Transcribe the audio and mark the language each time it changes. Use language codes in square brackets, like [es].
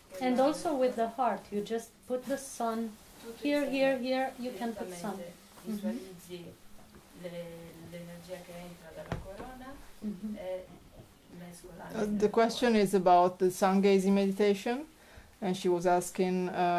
[en] And also with the heart, you just put the sun here, you can put sun. [it] Visualizzi l'energia che entra dalla corona e mescolando... [en] The question is about the sun gazing meditation and she was asking...